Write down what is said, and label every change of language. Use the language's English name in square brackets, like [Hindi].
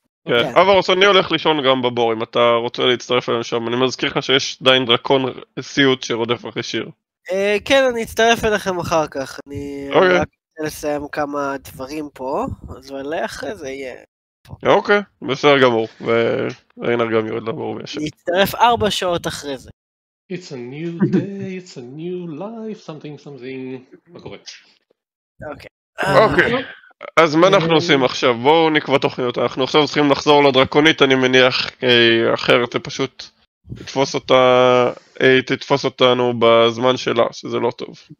[Hebrew] כן, אברוס, אני הולך לישון גם בבור, אם אתה רוצה להצטרף אליהם שם, אני מזכיר לך שיש דיין דרקון סיוט שרודף אחרי שיר. כן, אני אצטרף אליכם אחר כך, אני רק רוצה לסיים כמה דברים פה, אז אולי אחרי זה יהיה... אוקיי, בסדר גמור, ורגנר גם יורד לבור וישן. נצטרף 4 שעות אחרי זה. [English] It's a new day, it's a new life, something, מה קורה? [Hebrew] אוקיי. אז מה אנחנו עושים עכשיו? בואו נקבע תוכניות. אנחנו עכשיו צריכים לחזור לדרקונית, אני מניח, אחרת זה פשוט תתפוס אותה, תתפוס אותנו בזמן שלה, שזה לא טוב.